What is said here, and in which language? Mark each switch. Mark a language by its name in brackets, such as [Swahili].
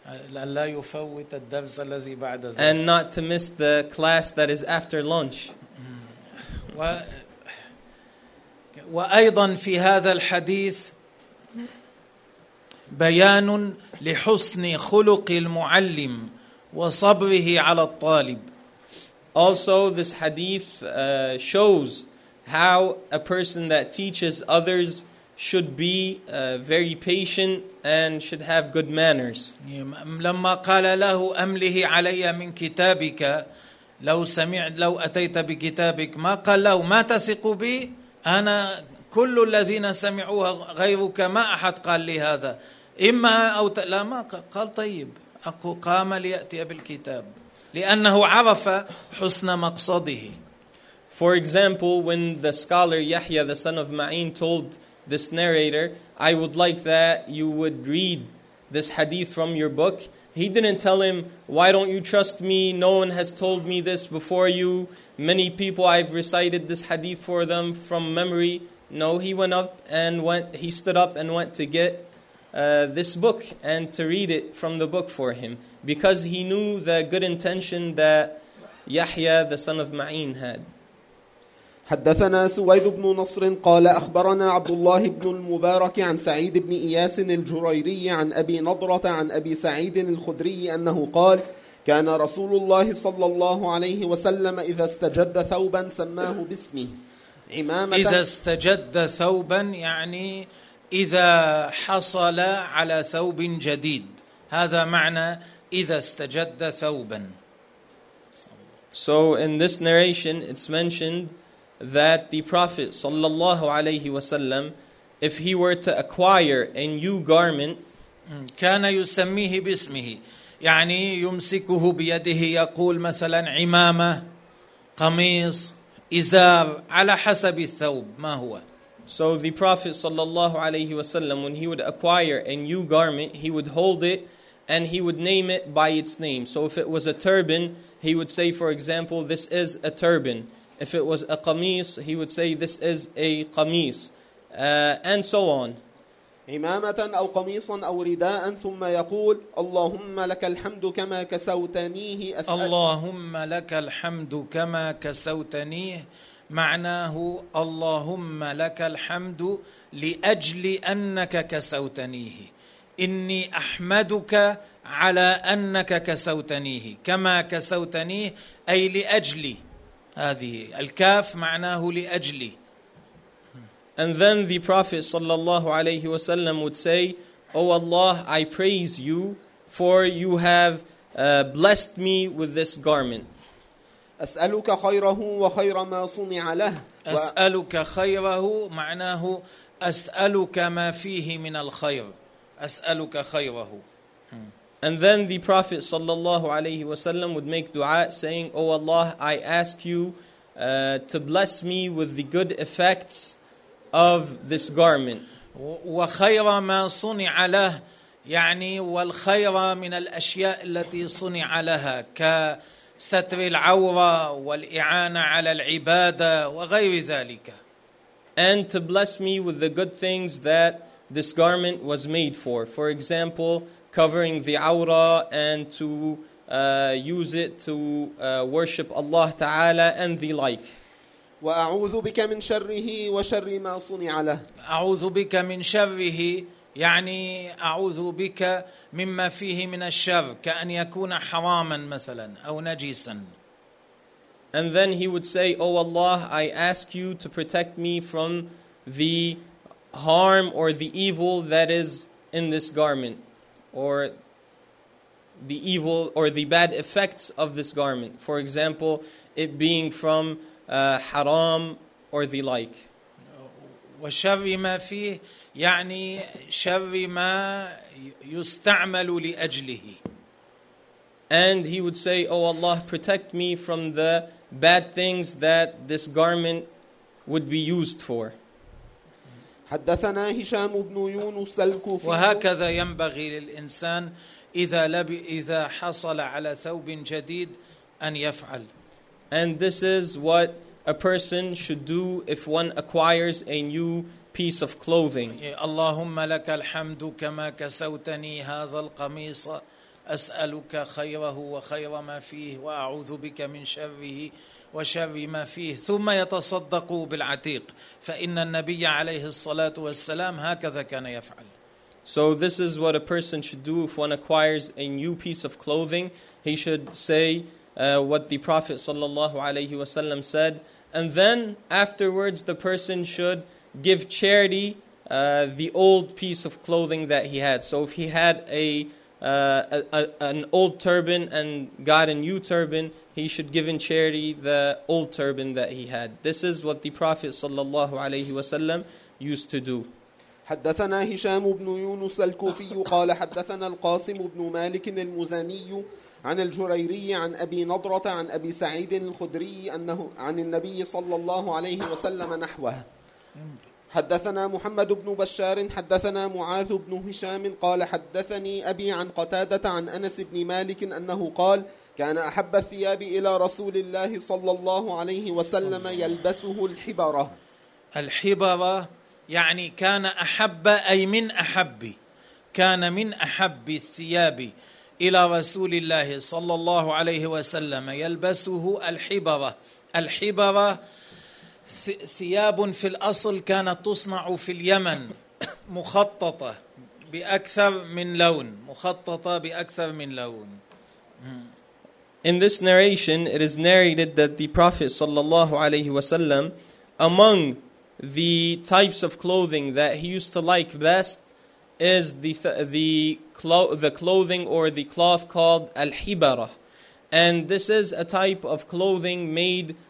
[Arabic] لا يفوت الدرس الذي بعد ذلك. [English] And not to miss the class that is after lunch. [Arabic] وأيضا في هذا الحديث بيان لحسن خلق المعلم وصبره على الطالب. [English] Also, this hadith shows how a person that teaches others should be very patient and should have good manners. لما قال له أمله علي من كتابك لو سمعت لو أتيت بكتابك ما قال له ما تثق بي أنا كل الذين سمعوها غيرك ما أحد قال لي هذا إما أو لا ما قال طيب قام ليأتي بالكتاب لأنه عرف حسن مقصده. For example, when the scholar Yahya the son of Ma'in told this narrator, I would like that you would read this hadith from your book, he didn't tell him, why don't you trust me? No one has told me this before you. Many people, I've recited this hadith for them from memory. No, he went up and went, he stood up and went to get this book and to read it from the book for him. Because he knew the good intention that Yahya, the son of Ma'in, had. [Arabic] حدثنا سويد بن نصر قال أخبرنا عبد الله بن المبارك عن سعيد بن إياس الجريري عن أبي نضرة عن أبي سعيد الخدري أنه قال كان رسول الله صلى الله عليه وسلم إذا استجد ثوبا سماه باسمه عمامة. إذا استجد ثوبا يعني إذا حصل على ثوب جديد, هذا معنى إذا استجد ثوبا. [English] So in this narration it's mentioned that the Prophet sallallahu alayhi wasallam, if he were to acquire a new garment, [Arabic] كان يسميه باسمه يعني يمسكه بيده يقول مثلا عمامة قميص إزار على حسب الثوب ما هو. [English] So the Prophet sallallahu alayhi wasallam, when he would acquire a new garment, he would hold it and he would name it by its name. So if it was a turban, he would say, for example, this is a turban. If it was a qamis, he would say, this is a qamis. And so on. [Arabic] عمامة أو قميصا أو رداء ثم يقول اللهم لك الحمد كما كسوتنيه أسألك. اللهم لك الحمد كما كسوتنيه معناه اللهم لك الحمد لأجل أنك كسوتنيه إني أحمدك على أنك كسوتنيه كما كسوتنيه أي لأجلي هذه الكاف معناه لأجلي. [English] And then the Prophet sallallahu alayhi wasallam would say, O Allah, I praise you, for you have blessed me with this garment. [Arabic] أسألك خيره وخير ما صنع له. أسألك خيره معناه أسألك ما فيه من الخير. أسألك خيره. [English] And then the Prophet sallallahu alayhi wasallam would make dua saying, O Allah, I ask you to bless me with the good effects of this garment. [Arabic] وخير ما صنع له يعني والخير من الأشياء التي صنع لها كستر العورة والإعانة على العبادة وغير ذلك. [English] And to bless me with the good things that this garment was made for. For example, covering the awra and to use it to worship Allah Ta'ala and the like. [Arabic] وأعوذ بك من شره وشر ما صنع له. أعوذ بك من شره يعني أعوذ بك مما فيه من الشر كأن يكون حراما مثلا أو نجسا. [English] And then he would say, O Allah, I ask you to protect me from the harm or the evil that is in this garment, or the evil or the bad effects of this garment. For example, it being from حرام or the like. [Arabic] وشر ما فيه يعني شر ما يستعمل لأجله. [English] And he would say, O Allah, protect me from the bad things that this garment would be used for. [Arabic] حدثنا هشام بن يونس الكوفي. وهكذا ينبغي للإنسان إذا حصل على ثوب جديد أن يفعل. [English] And this is what a person should do if one acquires a new piece of clothing. [Arabic] اللهم لك الحمد كما كسوتني هذا القميص أسألك خيره وخير ما فيه وأعوذ بك من شره وشر ما فيه ثم يتصدق بالعتيق فإن النبي عليه الصلاة والسلام هكذا كان يفعل. [English] So this is what a person should do if one acquires a new piece of clothing. He should say what the Prophet sallallahu alayhi wasallam said, and then afterwards the person should give charity the old piece of clothing that he had. So if he had an old turban and got a new turban, he should give in charity the old turban that he had. This is what the Prophet sallallahu alayhi wasallam used to do. [Arabic] حدثنا هشام بن يونس الكوفي قال حدثنا القاسم بن مالك المزني عن الجريري عن أبي نضرة عن أبي سعيد الخدري أنه عن النبي صلى الله عليه وسلم نحوه. حدثنا محمد بن بشار حدثنا معاذ بن هشام قال حدثني أبي عن قتادة عن أنس بن مالك أنه قال كان أحب الثياب إلى رسول الله صلى الله عليه وسلم يلبسه الحبرة. الحبرة يعني كان أحب أي من أحب كان من أحب الثياب إلى رسول الله صلى الله عليه وسلم يلبسه الحبرة. الحبرة ثياب في الأصل كانت تصنع في اليمن مخططة بأكثر من لون مخططة بأكثر من لون. [English] In this narration, it is narrated that the Prophet صلى الله عليه وسلم, among the types of clothing that he used to like best, is the clothing or the cloth called al-hibara. And this is a type of clothing made